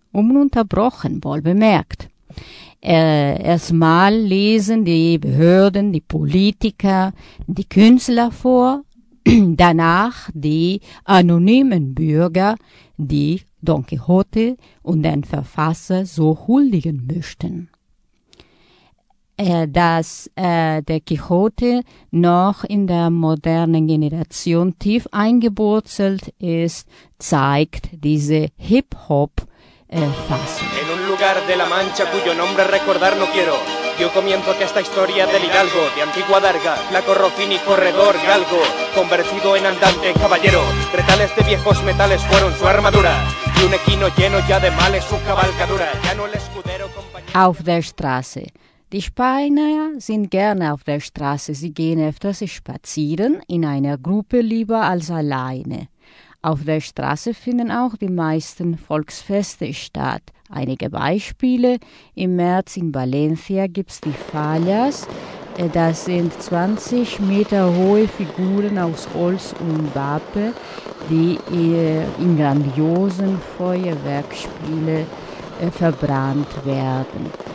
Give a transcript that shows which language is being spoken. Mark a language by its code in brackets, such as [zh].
[de] Ununterbrochen, wohl bemerkt. Erstmal lesen die Behörden, die Politiker, die Künstler vor, danach die anonymen Bürger, die Don Quixote und den Verfasser so huldigen möchten. Dass der Quixote noch in der modernen Generation tief eingewurzelt ist, zeigt diese Hip-Hop-Fassung. [es] En un lugar de la Mancha cuyo nombre recordar no quiero, dio comienzo a esta historia del Hidalgo, de antigua Darga, Flaco Rocín y Corredor Galgo, convertido en andante caballero. Retales de viejos metales fueron su armadura, y un equino lleno ya de males su cabalgadura, ya no el escudero compañero. [de] Auf der Straße. Die Spanier sind gerne auf der Straße, sie gehen öfters spazieren, in einer Gruppe lieber als alleine. Auf der Straße finden auch die meisten Volksfeste statt. Einige Beispiele: Im März in Valencia gibt es die Fallas, das sind 20 Meter hohe Figuren aus Holz und Wappe, die in grandiosen Feuerwerksspielen verbrannt werden.